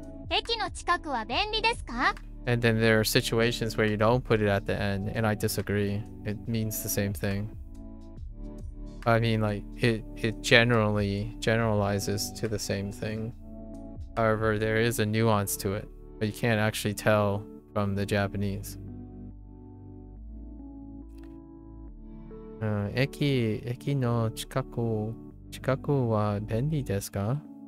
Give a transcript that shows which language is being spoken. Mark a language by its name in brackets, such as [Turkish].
[Japanese] 駅の近くは便利ですか？ [English] And then there are situations where you don't put it at the end, and I disagree. It means the same thing. I mean, like, it generally generalizes to the same thing. However, there is a nuance to it, but you can't actually tell from the Japanese. [Japanese] 駅の近くは便利ですか？